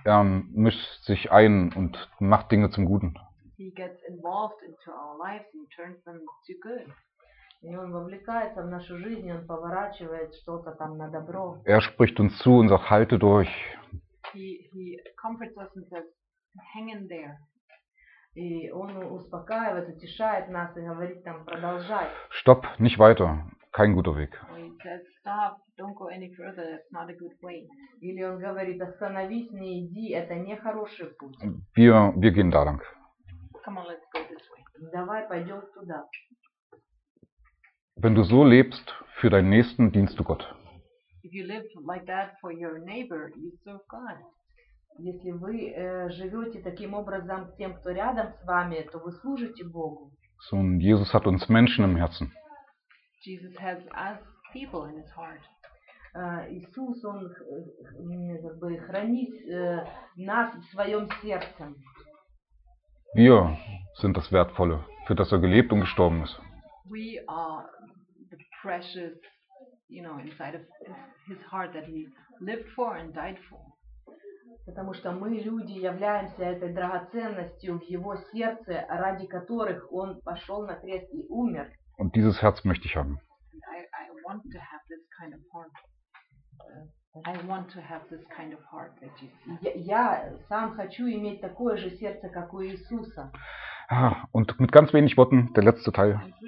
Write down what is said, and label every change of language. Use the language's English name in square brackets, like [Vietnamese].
[German] Er mischt sich ein und macht Dinge zum Guten. [English] He gets involved into our lives and turns them to good. [Russian] И он вовлекается в нашу жизнь, он поворачивает что-то там на добро. [German] Er spricht uns zu und sagt, halte durch. [English] He comforts us and says, hang in there. [Russian] И он успокаивает, утешает нас и говорит там, продолжай. [German] Stopp, nicht weiter. Kein guter Weg. [English] Stop, don't go any further, that's not a good way. [Russian] Или он говорит, остановись, не иди, это не хороший путь. [German] Wir gehen da lang. [English] Come on, let's go this way. [Russian] Давай пойдем туда. [German] Wenn du so lebst, für deinen Nächsten dienst du Gott. [English] If you live like that for your neighbor, you serve God. [Russian] Если вы живете таким образом к тем, кто рядом с вами, то вы служите Богу. [German] So, Jesus hat uns Menschen im Herzen. [English] Jesus has us people in his heart. [Russian] Иисус, он как бы хранит нас в своем сердце. [German] Wir sind das Wertvolle, für das er gelebt und gestorben ist. [English] We are the precious, you know, inside of his heart that he lived for and died for. [Russian] Потому что мы, люди, являемся этой драгоценностью в его сердце, ради которых он пошел на крест и умер. [German] Und dieses Herz möchte ich haben. [English] I want to have this kind of heart. I want to have this kind of heart that Jesus has. [Russian] Я сам хочу иметь такое же сердце, как у Иисуса. [German] Und mit ganz wenig Worten, der letzte Teil.